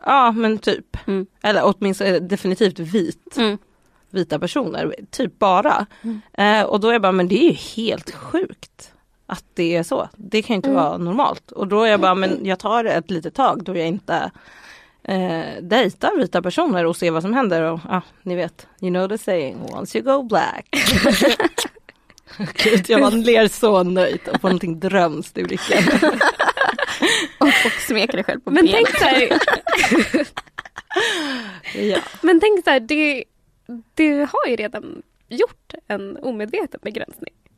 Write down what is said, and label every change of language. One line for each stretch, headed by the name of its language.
Swedish: Ja, men typ. Mm. Eller åtminstone definitivt vit. Mm. Vita personer, typ bara. Mm. Och då är jag bara, men det är ju helt sjukt. Att det är så. Det kan ju inte vara normalt. Och då är jag bara, men jag tar ett litet tag då jag inte dejtar vita personer och ser vad som händer. Och ni vet,
English: you know the saying, once you go black.
Swedish: Gud, jag bara ler så nöjt och får någonting drömst ur lyckan. och smeker dig själv på benet. Men tänk så här. Ja. Men tänk så här, du har ju redan gjort en omedveten begränsning.